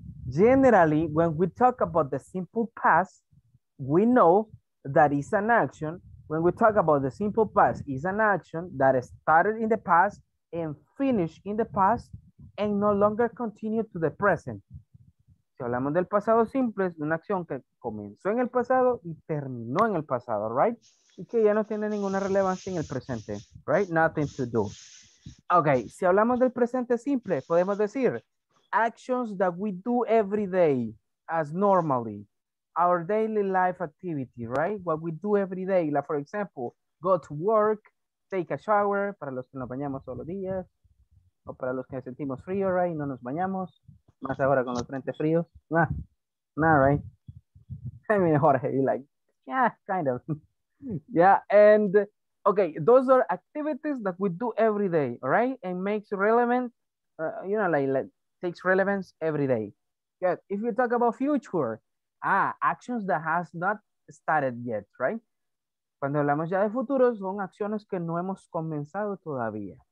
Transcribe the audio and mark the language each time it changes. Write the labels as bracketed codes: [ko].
[en] Generally, when we talk about the simple past, we know that it's an action. When we talk about the simple past, it's an action that started in the past and finished in the past and no longer continue to the present. [es] Si hablamos del pasado simple, es una acción que comenzó en el pasado y terminó en el pasado, right? Y que ya no tiene ninguna relevancia en el presente, right? [en] Nothing to do. Okay, [es] si hablamos del presente simple, podemos decir [en] actions that we do every day as normally. Our daily life activity, right? What we do every day. Like, for example, go to work, take a shower, [es] para los que nos bañamos todos los días, o para los que sentimos frío, right? No nos bañamos. Más ahora con los frentes fríos. Nah, right? [en] I mean, Jorge, you like, yeah, kind of. Yeah, and Okay, those are activities that we do every day, all right? And makes relevant, you know, like takes relevance every day. Good. If you talk about future, actions that has not started yet, right? [es] Cuando hablamos ya de futuro, son acciones que no hemos comenzado todavía.